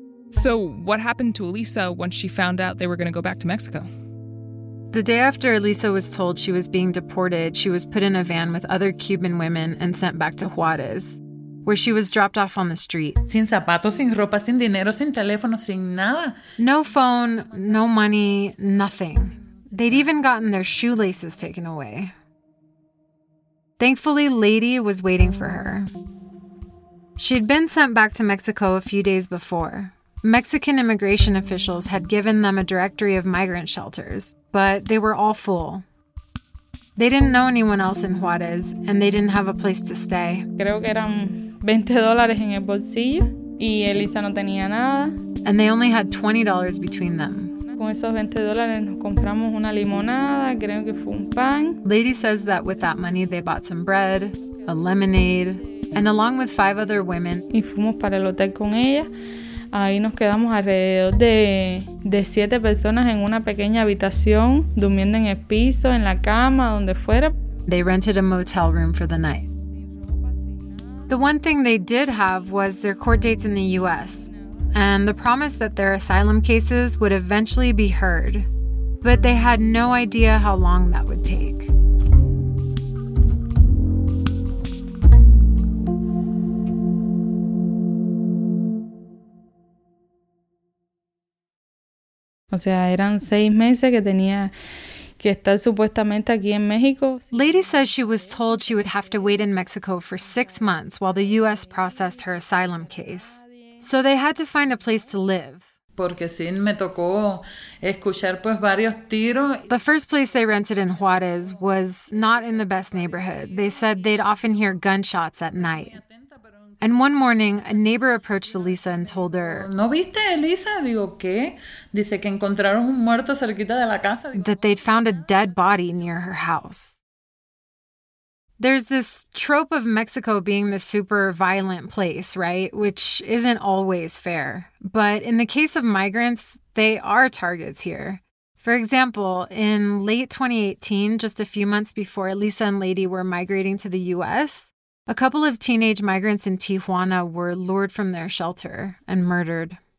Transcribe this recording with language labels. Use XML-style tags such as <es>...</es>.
<en>So what happened to Elisa once she found out they were going to go back to Mexico? The day after Elisa was told she was being deported, she was put in a van with other Cuban women and sent back to Juarez, where she was dropped off on the street.</en> <es>Sin zapatos, sin ropa, sin dinero, sin teléfono, sin nada.</es> <en>No phone, no money, nothing. They'd even gotten their shoelaces taken away. Thankfully, Lady was waiting for her. She'd been sent back to Mexico a few days before. Mexican immigration officials had given them a directory of migrant shelters, but they were all full. They didn't know anyone else in Juarez, and they didn't have a place to stay.</en> <es>Creo que eran $20 en el bolsillo, y Elisa no tenía nada.</es> <en>And they only had $20 between them.</en> <es>Con esos $20 nos compramos una limonada, creo que fue un pan.</es> <en>Lady says that with that money they bought some bread, a lemonade, and along with five other women.</en> <es>Y fuimos para el hotel con ella. Ahí nos quedamos alrededor de siete personas en una pequeña habitación, durmiendo en el piso, en la cama, donde fuera.</es> <en>They rented a motel room for the night. The one thing they did have was their court dates in the U.S. and the promise that their asylum cases would eventually be heard. But they had no idea how long that would take.</en> <es>O sea, eran seis meses que tenía que estar supuestamente aquí en México.</es> <en>Lady says she was told she would have to wait in Mexico for 6 months while the U.S. processed her asylum case. So they had to find a place to live.</en> <es>porque sí me tocó escuchar pues varios tiros.</es> <en>The first place they rented in Juárez was not in the best neighborhood. They said they'd often hear gunshots at night. And one morning, a neighbor approached Elisa and told her,</en> <es>¿No viste, Elisa? Digo, ¿qué? Dice que encontraron un muerto cerquita de la casa. Digo,</es> <en>that they'd found a dead body near her house. There's this trope of Mexico being this super violent place, right? Which isn't always fair. But in the case of migrants, they are targets here. For example, in late 2018, just a few months before Elisa and Lady were migrating to the U.S., a couple of teenage migrants in Tijuana were lured from their shelter and murdered.</en>